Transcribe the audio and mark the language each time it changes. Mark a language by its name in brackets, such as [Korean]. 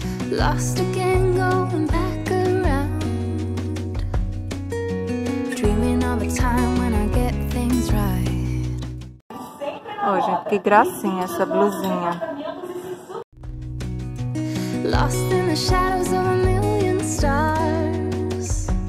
[English] Lost again, going back around, dreaming all the time when I get things. [Portuguese] Ó, gente, que gracinha essa blusinha. [English] Lost in the shadows of a million stars.